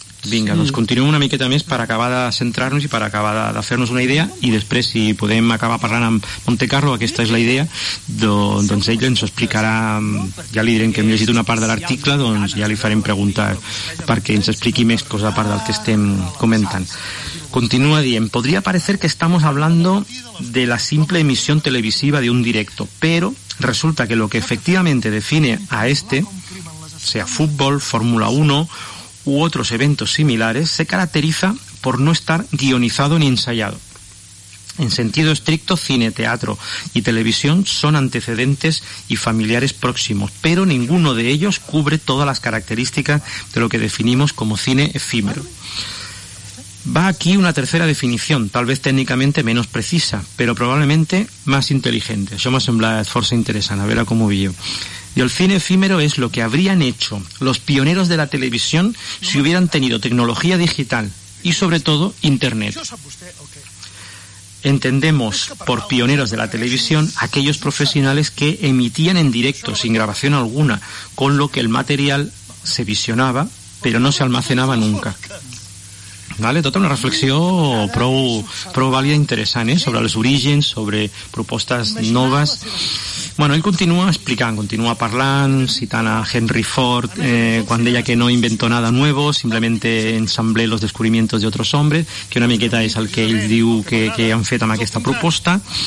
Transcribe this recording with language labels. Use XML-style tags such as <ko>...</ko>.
<ca>Vinga, doncs continuem una miqueta més per acabar de centrar-nos i per acabar de fer-nos una idea, i després, si podem acabar parlant amb Montecarlo, aquesta és la idea, doncs ell ens ho explicarà, ja li direm que hem llegit una part de l'article, doncs ja li farem preguntar perquè ens expliqui més cosa a part del que estem comentant.</ca> <es>Continúa dient: podría parecer que estamos hablando de la simple emisión televisiva de un directo, pero resulta que lo que efectivamente define a este, sea fútbol, Fórmula 1 u otros eventos similares, se caracteriza por no estar guionizado ni ensayado. En sentido estricto, cine, teatro y televisión son antecedentes y familiares próximos, pero ninguno de ellos cubre todas las características de lo que definimos como cine efímero. Va aquí una tercera definición, tal vez técnicamente menos precisa, pero probablemente más inteligente.</es> <ca>Això m'ha semblat força interessant, a veure com ho veieu.</ca> <es>Y el cine efímero es lo que habrían hecho los pioneros de la televisión si hubieran tenido tecnología digital y, sobre todo, Internet. Entendemos por pioneros de la televisión aquellos profesionales que emitían en directo, sin grabación alguna, con lo que el material se visionaba, pero no se almacenaba nunca.</es> <ca>Vale, tota una reflexió prou vàlida i interessant, sobre els orígens, sobre propostes noves. Bueno, ell continua explicant, continua parlant, citant a Henry Ford, quan deia que</ca> <es>no inventó nada nuevo, simplemente ensamblé los descubrimientos de otros hombres,</es> <ca>que una miqueta és el que ell diu que han fet amb aquesta proposta.</ca>